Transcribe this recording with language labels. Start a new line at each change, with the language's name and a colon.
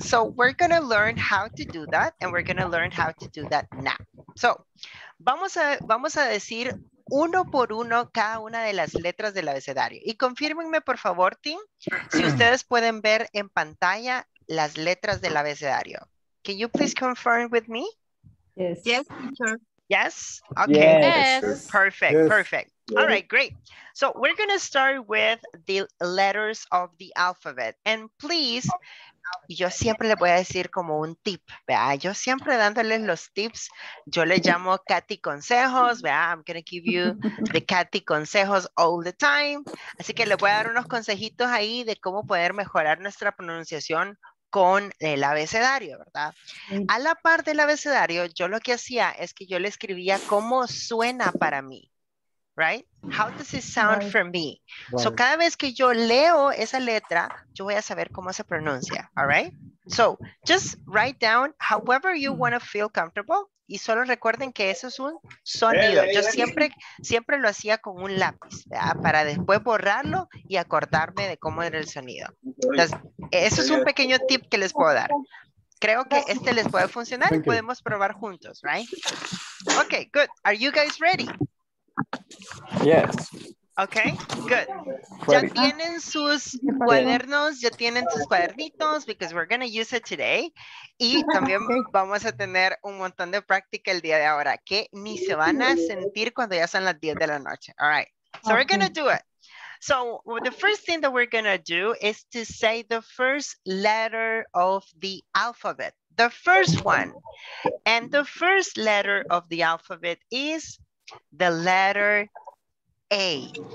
English: So we're going to learn how to do that and we're going to learn how to do that now.
Spanish: So vamos a decir uno por uno cada una de las letras del abecedario. Y confírmenme, por favor, Tim, si ustedes pueden ver en pantalla las letras del abecedario.
English: Can you please confirm with me? Yes. Yes, teacher. Yes? Okay. Yes. Yes. Perfect. Yes. Perfect. Yes. All right, great. So we're going to start with the letters of the alphabet. And please,
Spanish: yo siempre le voy a decir como un tip, ¿vea? Yo siempre dándoles los tips, yo le llamo Katy Consejos, ¿vea?
English: I'm going to give you the Katy Consejos all the time.
Spanish: Así que le voy a dar unos consejitos ahí de cómo poder mejorar nuestra pronunciación con el abecedario, ¿verdad? A la par del abecedario, yo lo que hacía es que yo le escribía cómo suena para mí, right?
English: How does it sound right. for me? Right.
Spanish: So cada vez que yo leo esa letra, yo voy a saber cómo se pronuncia, all right?
English: So just write down however you want to feel comfortable,
Spanish: y solo recuerden que eso es un sonido. Yo siempre, siempre lo hacía con un lápiz, ¿verdad? Para después borrarlo y acordarme de cómo era el sonido. Entonces, eso es un pequeño tip que les puedo dar. Creo que este les puede funcionar y podemos probar juntos, right?
English: Okay, good. Are you guys ready? Yes. Okay, good.
Spanish: Ya tienen sus cuadernos, ya tienen sus cuadernitos,
English: because we're going to use it today.
Spanish: Y también vamos a tener un montón de práctica el día de ahora, que ni se van a sentir cuando ya son las 10 de la noche.
English: All right, so okay. We're going to do it. So the first thing that we're going to do is to say the first letter of the alphabet, the first one. And the first letter of the alphabet is the letter A.